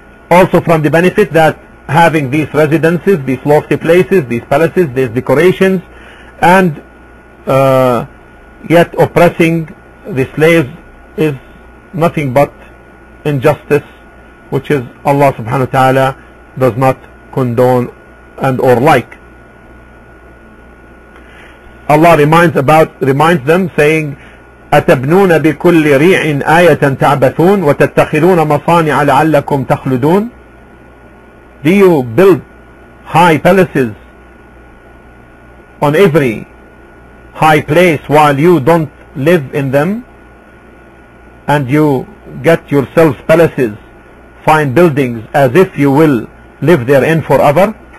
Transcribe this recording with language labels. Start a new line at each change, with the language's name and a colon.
English: Also from the benefit that having these residences, these lofty places, these palaces, these decorations, and yet oppressing the slaves is nothing but injustice, which is Allah subhanahu wa ta'ala does not condone and or like. Allah reminds them saying,
Arabic: أتبنون بكل ريع آية تعبثون وتتخذون مصانع لعلكم تخلدون.
English: Do you build high palaces on every high place while you don't live in them, and you get yourselves palaces, fine buildings, as if you will live therein forever?